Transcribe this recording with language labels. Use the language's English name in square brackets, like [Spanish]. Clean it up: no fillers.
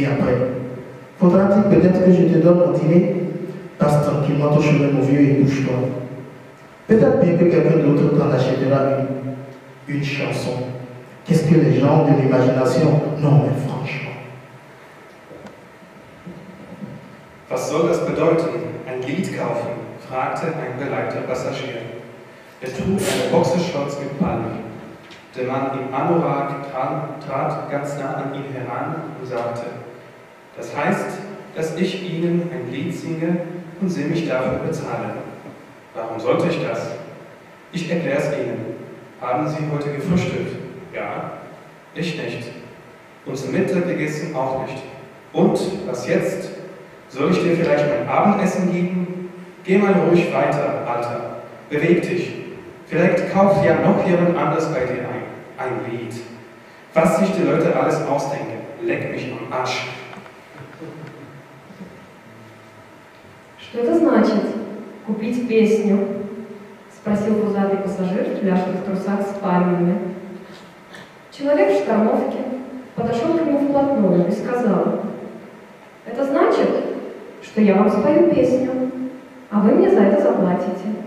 [French] Et après, faudra-t-il peut-être que je te donne mon dîner? Passe tranquillement ton chemin, mon vieux, et bouge-toi. Peut-être bien que quelqu'un d'autre t'en achètera une chanson. Qu'est-ce que les gens ont de l'imagination? Non, mais franchement. [German] Was soll das bedeuten, ein Lied kaufen? Fragte ein beleibter Passagier. Trug eine Boxershorts mit Palmen. Der Mann im Anorak trat ganz nah an ihn heran und sagte: das heißt, dass ich Ihnen ein Lied singe und Sie mich dafür bezahlen. Warum sollte ich das? Ich erkläre es Ihnen. Haben Sie heute gefrühstückt? Ja, ich nicht. Und zum Mittag gegessen auch nicht. Und was jetzt? Soll ich dir vielleicht mein Abendessen geben? Geh mal ruhig weiter, Alter. Beweg dich. Vielleicht kauft ja noch jemand anders bei dir ein Lied. Was sich die Leute alles ausdenken, leck mich am Arsch. [Russian] Что это значит, купить песню? Спросил пузатый пассажир, пляшет в трусах с пальмами. Человек в штормовке подошел к нему вплотную и сказал: это значит, что я вам спою песню, а вы мне за это заплатите.